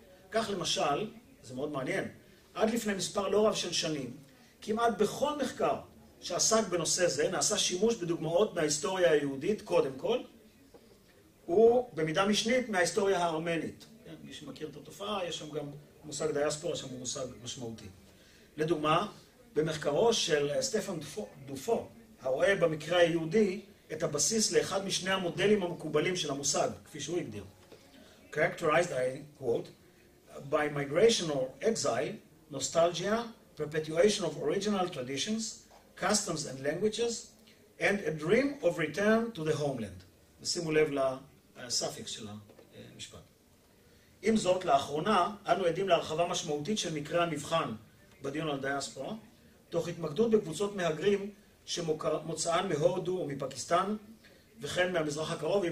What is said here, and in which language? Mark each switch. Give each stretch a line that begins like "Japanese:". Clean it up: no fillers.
Hebrew: כך למשל, זה מאוד מעניין, עד לפני מספר לא רב של שנים, כמעט בכל מחקר שעסק בנושא זה נעשה שימוש בדוגמאות מההיסטוריה היהודית קודם כל, ובמידה משנית מההיסטוריה הארמנית. מי שמכיר את התופעה, יש שם גם מושג דיאספורה, שם הוא מושג משמעותי. לדוגמה, במחקרו של סטפן דופו, הרואה במקרה היהודי את הבסיס לאחד משני המודלים המקובלים של המושג, כפי שהוא הגדיר.
English: Characterized, I quote, by migration or exile, nostalgia, perpetuation of original traditions, customs and languages, and a dream of return to the homeland.
Hebrew: ושימו לב לסאפיקס של המשפט. עם זאת, לאחרונה, אנו עדים להרחבה משמעותית של מקרה המבחן בדיון על דיאספורה, תוך התמקדות בקבוצות מהגרים שמוצאן מהודו או מפקיסטן, וכן מהמזרח הקרוב.